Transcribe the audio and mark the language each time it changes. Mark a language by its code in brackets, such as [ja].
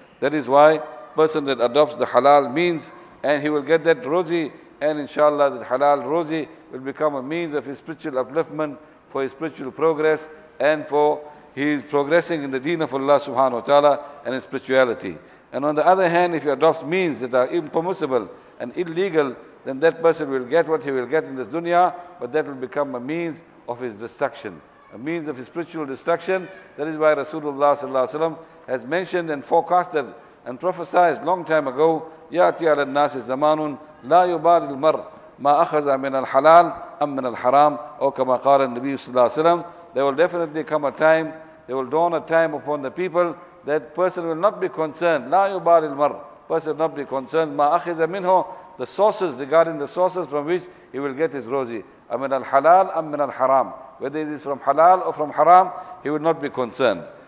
[en] That is why person that adopts the halal means, and he will get that rozi, and inshallah that halal rozi will become a means of his spiritual upliftment, for his spiritual progress, and for his progressing in the deen of Allah subhanahu wa ta'ala and his spirituality. And on the other hand, if he adopts means that are impermissible and illegal, then that person will get what he will get in this dunya, but that will become a means of his destruction, a means of his spiritual destruction. That is why Rasulullah sallallahu alaihi wasallam has mentioned and forecasted and prophesied long time ago, [ar] يَأْتِي عَلَى النَّاسِ زَمَانٌ لَا يُبَالِ الْمَرْءِ مَا أَخَذَ مِنَ الْحَلَالِ أَمْ مِنَ الْحَرَامِ أَوْ كَمَا قَالَ النَّبِيُّ صلى الله عليه وسلم. [en] There will definitely come a time, there will dawn a time upon the people that person will not be concerned. [ar] لَا يُبَالِ الْمَرْءِ [en] Person will not be concerned. [ar] مَا أَخِذَ مِنْهُ [en] The sources, regarding the sources from which he will get his rosy. [ar] أَمِنَ الْحَلَالِ أَمْ مِنَ الْحَرَامِ [en] Whether it is from halal or from haram, he will not be concerned.